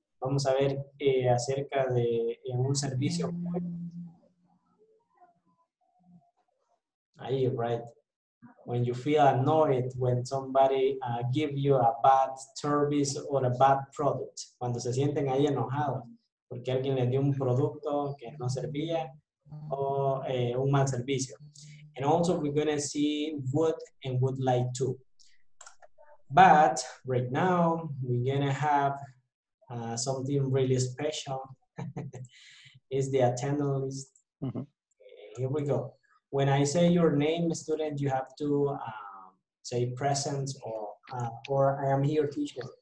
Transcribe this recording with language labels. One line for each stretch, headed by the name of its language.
Spanish: Vamos a ver acerca de un servicio.
English: Ahí, right. When you feel annoyed when somebody give you a bad service or a bad product.
Spanish: Cuando se sienten ahí enojados. Porque alguien le dio un producto que no servía o un mal servicio.
English: And also we're going to see would and would like to. But right now we're going to have something really special. It's the attendance list. Mm-hmm. Okay, here we go. When I say your name, student, you have to say present or I am here teacher.